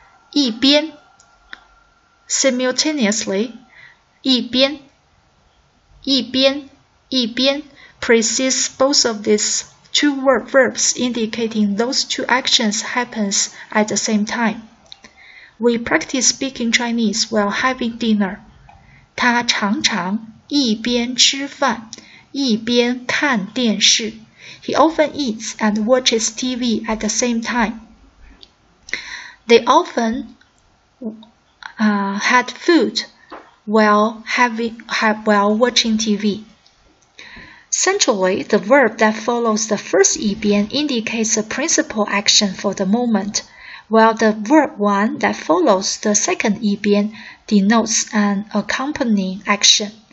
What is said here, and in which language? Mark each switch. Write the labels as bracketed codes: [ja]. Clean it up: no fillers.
[en] 一边 simultaneously, 一边一边一边precedes both of these two word verbs indicating those two actions happens at the same time. We practice speaking Chinese while having dinner. [zh] 他常常一边吃饭一边看电视。 [en] He often eats and watches TV at the same time. They often had food while watching TV. Centrally, the verb that follows the first 一边 indicates the principal action for the moment, while the verb 1 that follows the second 一边 denotes an accompanying action.